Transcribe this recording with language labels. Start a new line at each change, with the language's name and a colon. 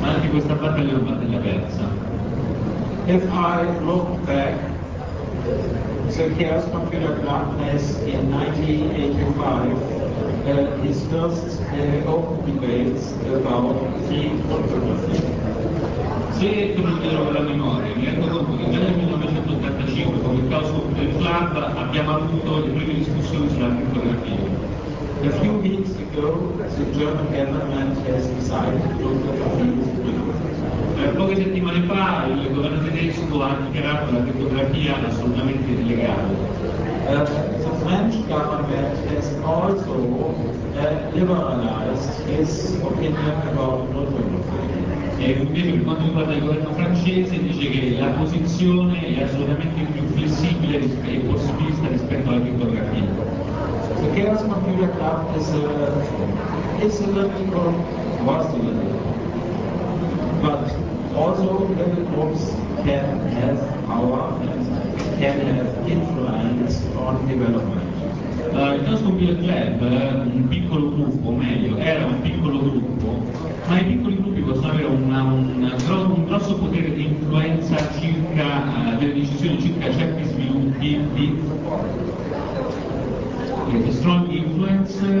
Italian: Ma anche questa battaglia è una battaglia persa.
English: If I look back, the Chaos Computer Club has in 1985 his first open debates about free photography.
Italian: Se prenderò la memoria, mi rendo conto che già nel 1985, con il Chaos Computer Club, abbiamo avuto le prime discussioni sulla fotografia.
English: A few weeks ago, the German government has decided to close the cryptography.
Italian: Poche settimane fa il governo tedesco ha dichiarato la criptografia assolutamente illegale.
English: The French government has also liberalized his opinion about cryptography.
Italian: E invece per quanto riguarda il governo francese dice che la posizione è assolutamente più flessibile e possibilista rispetto alla criptografia.
English: The Chaos Computer Club is a little group, was a little group. But also little groups can have power and can have influence on development.
Italian: Il Chaos Computer Club era un piccolo gruppo, meglio, era un piccolo gruppo, ma i piccoli gruppi possono avere un grosso potere di influenza circa delle decisioni, circa certi sviluppi di
English: strong influence